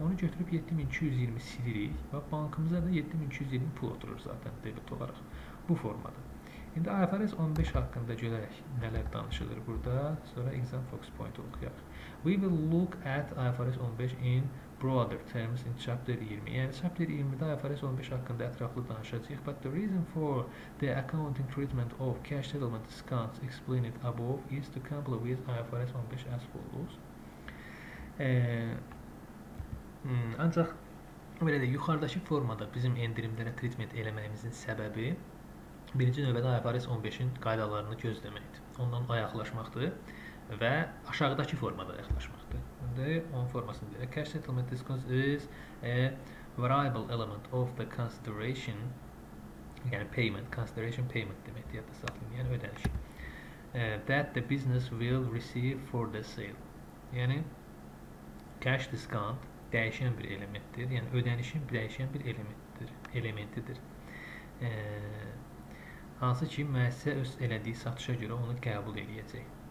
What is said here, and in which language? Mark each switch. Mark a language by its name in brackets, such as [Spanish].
[Azerbaijani] Onu götürüb 7220 silirik. Və bankamıza da 7220 pul oturur zaten debit olaraq. Bu formada. İndi IFRS 15 haqqında görək nələr danışılır burada. Sonra exam focus point oxuyaq. [English] We will look at IFRS 15 in broader terms in chapter 20. [Azerbaijani] Yəni chapter 20-də IFRS 15 haqqında ətraflı danışacağıq. [English] But the reason for the accounting treatment of cash settlement discounts explained above is to comply with IFRS 15 as follows. [Azerbaijani] Ancaq belə də yuxarıdakı formada bizim endirimlərə treatment eləməyimizin səbəbi birinci növbədə IFRS 15-in qaydalarını gözləməkdir. Ondan ayaqlaşmaqdır və aşağıdakı formada ayaqlaşmaqdır. İndi onun formasını deyək. [English] Cash settlement discount is a variable element of the consideration, [Azerbaijani] yəni payment, consideration payment deməkdir, yadda saxlayın, yəni ödəniş. [English] That the business will receive for the sale. [Azerbaijani] Yəni, cash discount dəyişən bir elementdir, yəni ödənişin dəyişən bir elementidir. Hansı ki, müəssisə öz elədiyi satışa görə onu qəbul edəcək.